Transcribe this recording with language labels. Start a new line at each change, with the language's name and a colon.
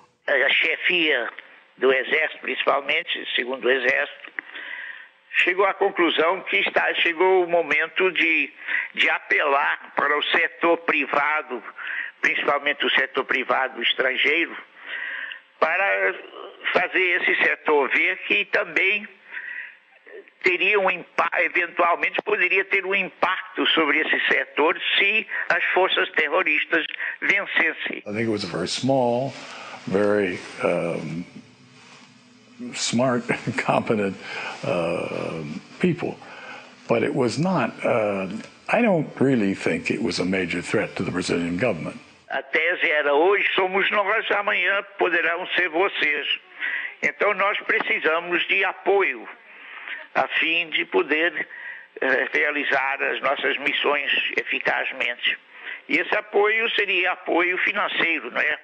Portuguese: A chefia do Exército, principalmente, segundo o Exército, chegou à conclusão que chegou o momento de apelar para o setor privado, principalmente o setor privado estrangeiro, para fazer esse setor ver que também teria um impacto, eventualmente poderia ter um impacto sobre esse setor se as forças terroristas vencessem.
English: I think it was a very small, very smart, competent people, but it was not. I don't really think it was a major threat to the Brazilian government.
Portuguese: A tese era: hoje somos nós, amanhã poderão ser vocês. Então nós precisamos de apoio a fim de poder realizar as nossas missões eficazmente. E esse apoio seria apoio financeiro, não é?